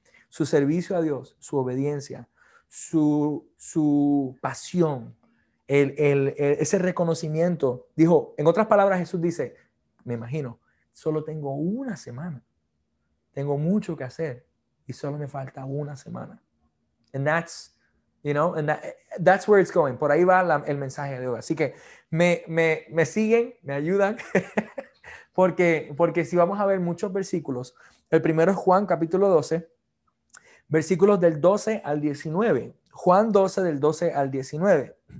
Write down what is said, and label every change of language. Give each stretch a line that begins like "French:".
Spanish: Su servicio a Dios, su obediencia, su pasión, ese reconocimiento. Dijo, en otras palabras, Jesús dice, me imagino, solo tengo una semana. Tengo mucho que hacer y solo me falta una semana.
English: And that's, you know, and that's where it's going.
Spanish: Por ahí va el mensaje de hoy. Así que me siguen, me ayudan, porque si vamos a ver muchos versículos, el primero es Juan capítulo 12, versículos del 12 al 19. Juan 12 del 12 al 19.